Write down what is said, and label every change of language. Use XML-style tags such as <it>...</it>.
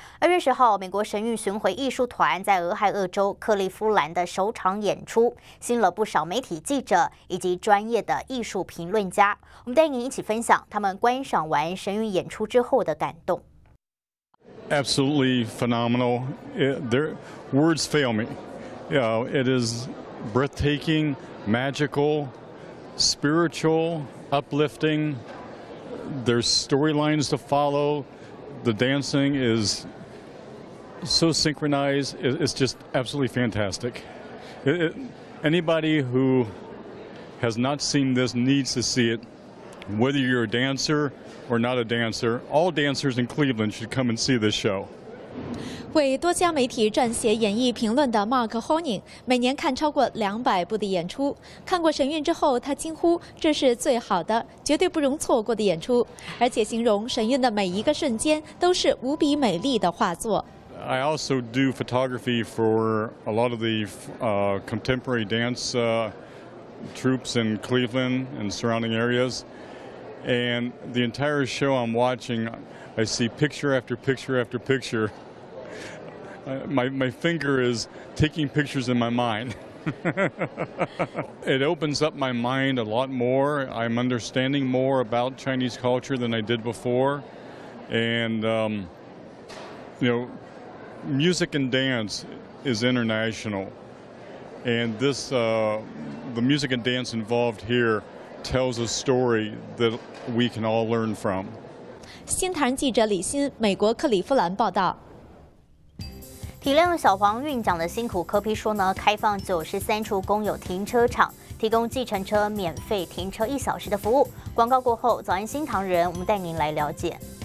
<zh>2月10号，美国神韵巡回艺术团在俄亥俄州克利夫兰的首场演出，吸引了不少媒体记者以及专业的艺术评论家。我们带您一起分享他们观赏完神韵演出之后的感动。</zh> <en>Absolutely phenomenal. There words fail me. You know, it is breathtaking, magical, spiritual, uplifting. There's storylines to follow. The dancing is so synchronized. It's just absolutely fantastic. Anybody who has not seen this needs to see it. Whether you're a dancer or not a dancer, all dancers in Cleveland should come and see this show.</en> <zh>为多家媒体撰写演艺评论的 Mark Honing 每年看超过200部的演出，看过神韵之后，他惊呼这是最好的，绝对不容错过的演出，而且形容神韵的每一个瞬间都是无比美丽的画作。</zh> <en>I also do photography for a lot of the contemporary dance troops in Cleveland and surrounding areas, and the entire show I'm watching, I see picture after picture after picture. My finger is taking pictures in my mind. It opens up my mind a lot more. I'm understanding more about Chinese culture than I did before. And, you know, music and dance is international. And this, the music and dance involved here tells a story that we can all learn from.</en> <zh>新唐人记者李欣，美国克利夫兰报道。体谅小黄运奖的辛苦，柯P说呢，开放93处公有停车场，提供计程车免费停车1小时的服务。广告过后，早安新唐人，我们带您来了解。</zh>